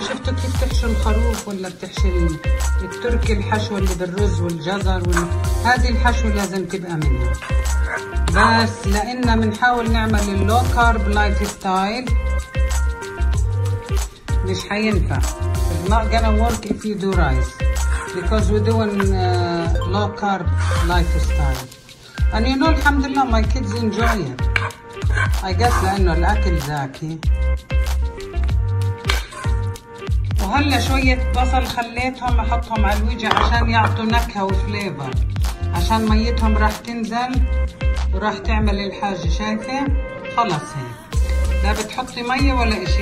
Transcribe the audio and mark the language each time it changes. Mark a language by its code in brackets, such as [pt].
[ar] شفتوا كيف بتحشي الخروف ولا بتحشي التركي؟ الحشوة اللي بالرز والجزر هذه الحشوة لازم تبقى منها، بس لأننا بنحاول نعمل اللو كارب لايف ستايل مش حينفع. [en] It's not gonna work if you do rice because we're doing low carb lifestyle. And you know, [ar] الحمد لله [en] my kids enjoy it. I guess [ar] لأنه الأكل زاكي. وهلا شوية بصل خليتهم أحطهم على الوجه عشان يعطوا نكهة وفليفر، عشان ميتهم راح تنزل وراح تعمل الحاجة. شايفة؟ خلص هيك، لا بتحطي مية ولا إشي.